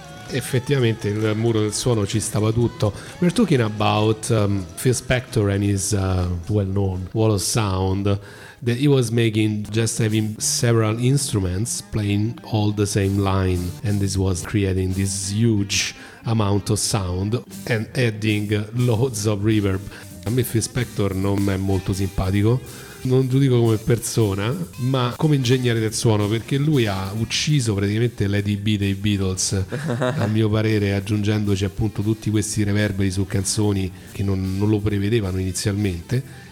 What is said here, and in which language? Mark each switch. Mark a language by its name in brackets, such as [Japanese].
[Italian] effettivamente il muro del suono ci stava tutto. [English] We're talking about Phil Spector and his well-known wall of sound that he was making just having several instruments playing all the same line, and this was creating this huge amount of sound and adding loads of reverb. [Italian] A me Phil Spector non è molto simpatico, non giudico come persona, ma come ingegnere del suono, perché lui ha ucciso praticamente Lady B dei Beatles, a mio parere, aggiungendoci appunto tutti questi reverberi su canzoni che non lo prevedevano inizialmente.